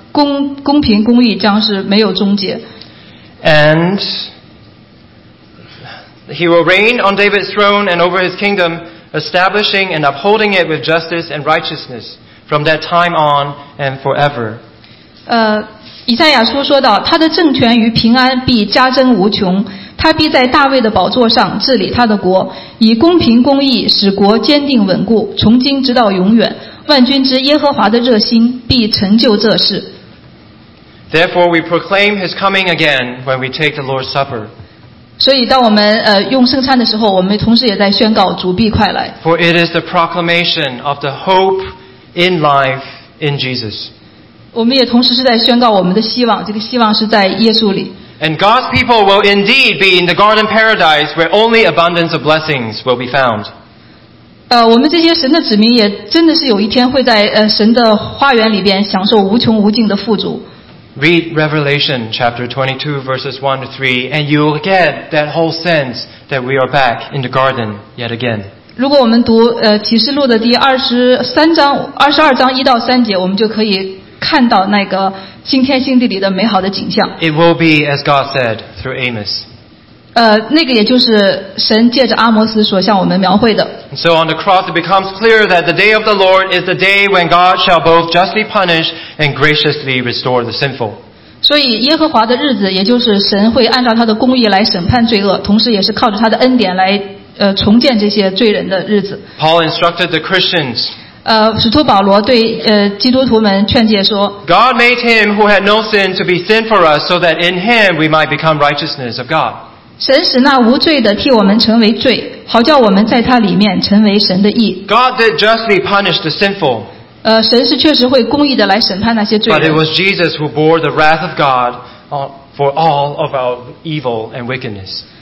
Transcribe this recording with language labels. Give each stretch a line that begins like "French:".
Chinese: 公平公义将是没有终结。
English: And he will reign on David's throne and over his kingdom, establishing and upholding it with justice and righteousness from that time on and forever.
Chinese: 以赛亚书说到，他的政权与平安必加增无穷，他必在大卫的宝座上治理他的国，以公平公义使国坚定稳固，从今直到永远。万军之耶和华的热心必成就这事。
English: Therefore, we proclaim his coming again when we take the Lord's Supper.
Chinese: 所以当我们用圣餐的时候，我们同时也在宣告主必快来。
English: For it is the proclamation of the hope in life in Jesus.
Chinese: 我们也同时是在宣告我们的希望，这个希望是在耶稣里。
English: And God's people will indeed be in the garden paradise where only abundance of blessings will be found.
Chinese: 我们这些神的子民也真的是有一天会在神的花园里边享受无穷无尽的富足。
English: Read Revelation chapter 22 verses 1 to 3 and you will get that whole sense that we are back in the garden yet again.
Chinese: 如果我们读启示录的第22章1到3节，我们就可以看到那个新天新地里的美好的景象。
English: It will be as God said through Amos.
Chinese: 那个也就是神借着阿摩斯所向我们描绘的。
English: So on the cross it becomes clear that the day of the Lord is the day when God shall both justly punish and graciously restore the sinful.
Chinese: 所以耶和华的日子，也就是神会按照他的公义来审判罪恶，同时也是靠着他的恩典来重建这些罪人的日子。
English: Paul instructed the Christians.
Chinese: 使徒保罗对基督徒们劝诫说，
English: God made him who had no sin to be sin for us so that in him we might become righteousness of God.
Chinese: 神使那无罪的替我们成为罪，好叫我们在他里面成为神的义。
English: God did justly punish the sinful.
Chinese: 神是确实会公义的来审判那些罪人。
English: But it was Jesus who bore the wrath of God for all of our evil and wickedness.